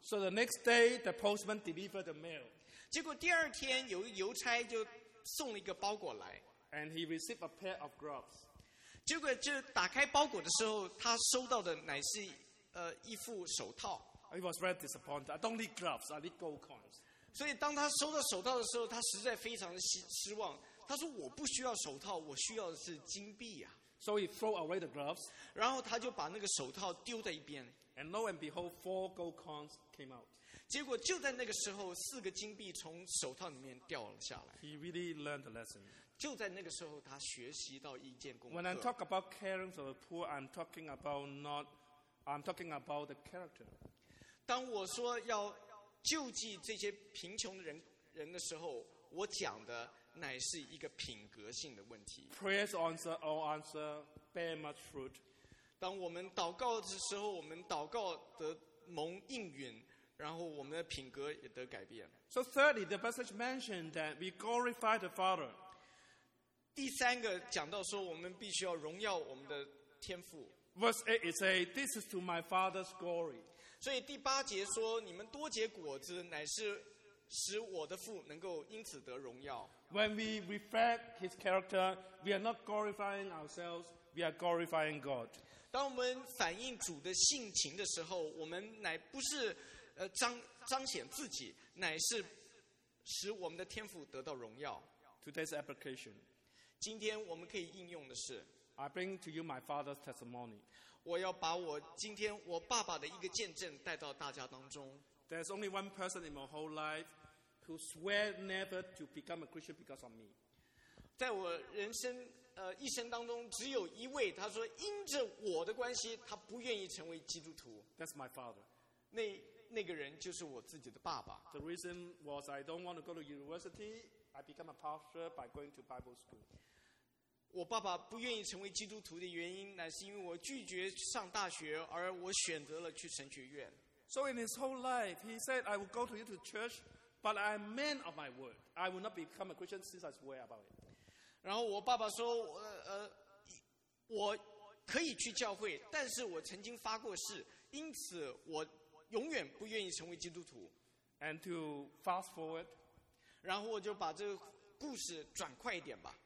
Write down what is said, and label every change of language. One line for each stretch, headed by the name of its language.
English: So the next day, the postman delivered the mail.
Chinese: 结果第二天，有邮差就送了一个包裹来。
English: And he received a pair of gloves.
Chinese: 结果就打开包裹的时候，他收到的乃是一副手套。
English: He was very disappointed. I don't need gloves. I need gold coins.
Chinese: 所以当他收到手套的时候，他实在非常的失望。他说：“我不需要手套，我需要的是金币呀。”
English: So he threw away the gloves.
Chinese: 然后他就把那个手套丢在一边。
English: And lo and behold, 4 gold coins came out.
Chinese: 结果就在那个时候，四个金币从手套里面掉了下来。
English: He really learned the lesson.
Chinese: 就在那个时候，他学习到一件功课。
English: When I talk about caring for the poor, I'm talking about the character.
Chinese: 当我说要救济这些贫穷的人的时候，我讲的乃是一个品格性的问题。
English: Prayers answer all answer bear much fruit.
Chinese: 当我们祷告的时候，我们祷告得蒙应允。然后我们的品格也得改变。
English: So thirdly, the passage mentioned that we glorify the Father.
Chinese: 第三个讲到说，我们必须要荣耀我们的天父。
English: Verse 8 it says, "This is to my Father's glory."
Chinese: 所以第八节说，你们多结果子，乃是使我的父能够因此得荣耀。
English: When we reflect His character, we are not glorifying ourselves; we are glorifying God.
Chinese: 当我们反映主的性情的时候，我们乃不是彰显自己，乃是使我们的天父得到荣耀。
English: Today's application.
Chinese: 今天我们可以应用的是。
English: I bring to you my father's testimony.
Chinese: 我要把我今天我爸爸的一个见证带到大家当中。
English: There's only one person in my whole life who swear never to become a Christian because of me.
Chinese: 在我人生一生当中，只有一位，他说因着我的关系，他不愿意成为基督徒。
English: That's my father.
Chinese: 那个人就是我自己的爸爸。
English: The reason was I don't want to go to university. I become a pastor by going to Bible school.
Chinese: 我爸爸不愿意成为基督徒的原因，乃是因为我拒绝上大学，而我选择了去神学院。
English: So in his whole life, he said, "I will go to you to church, but I'm a man of my word. I will not become a Christian since I swear about it."
Chinese: 然后我爸爸说，我可以去教会，但是我曾经发过誓，因此我。永远不愿意成为基督徒。
English: And to fast forward,
Chinese: 然后我就把这个故事转快一点吧。